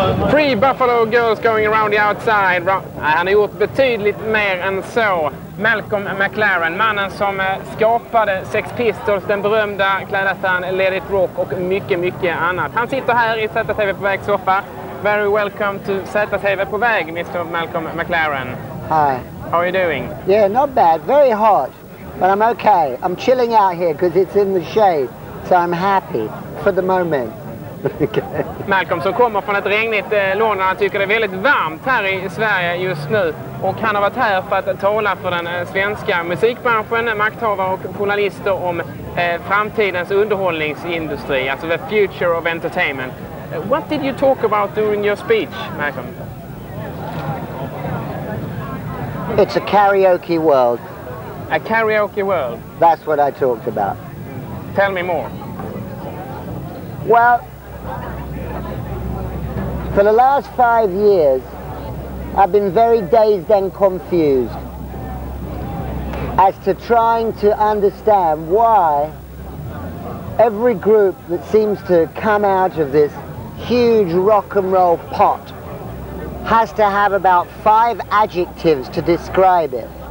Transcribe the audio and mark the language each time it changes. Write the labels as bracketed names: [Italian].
[English] Three Buffalo girls going around the outside. [Swedish] Han har gjort betydligt mer än så. Malcolm McLaren, mannen som skapade Sex Pistols, den berömda klädnästan Let It Rock och mycket, mycket annat. Han sitter här i ZTV på väg soffa. [English] Very welcome to [Swedish] ZTV på väg, Mr. [English] Malcolm McLaren. Hi. How are you doing? Yeah, not bad. Very hot. But I'm okay. I'm chilling out here because it's in the shade. So I'm happy for the moment. Okay. [Swedish] Malcolm som kommer från ett regnigt London, han tycker det är väldigt varmt här i Sverige just nu. Och han har varit här för att tala för den svenska musikbranschen, makthavare och journalister om framtidens underhållningsindustri, alltså [English] the future of entertainment. What did you talk about during your speech, Malcolm? It's a karaoke world. A karaoke world? That's what I talked about. Tell me more. Well, for the last 5 years, I've been very dazed and confused as to trying to understand why every group that seems to come out of this huge rock and roll pot has to have about 5 adjectives to describe it.